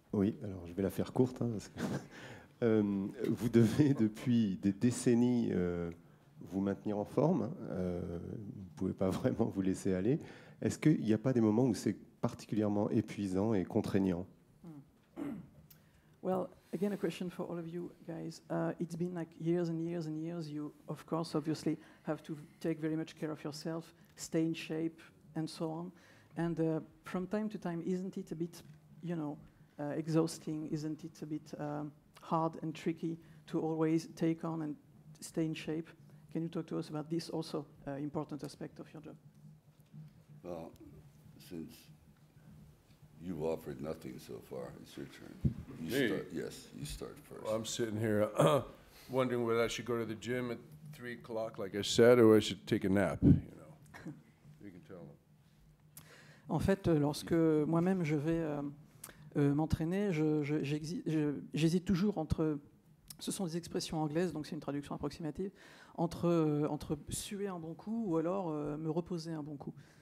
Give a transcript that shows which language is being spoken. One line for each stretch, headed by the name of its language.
French: Oui, alors je vais la faire courte. Vous devez depuis des décennies... vous maintenir en forme, vous ne pouvez pas vraiment vous laisser aller. Est-ce qu'il n'y a pas des moments où c'est particulièrement épuisant et contraignant?
English: Well, again, a question for all of you guys. It's been like years and years and years. You, of course, obviously, have to take very much care of yourself, stay in shape, and so on. And from time to time, isn't it a bit, you know, exhausting? Isn't it a bit hard and tricky to always take on and stay in shape? Can you talk to us about this also important aspect of your job? Well, since you've offered nothing so far, it's your turn. You start first. Well, I'm sitting here wondering whether I should go to the gym at 3 o'clock, like I said, or I should take a nap, you know. You can tell them.
French: En fait, lorsque moi-même je vais m'entraîner, j'hésite toujours entre... Ce sont des expressions anglaises, donc c'est une traduction approximative, entre suer un bon coup ou alors me reposer un bon coup.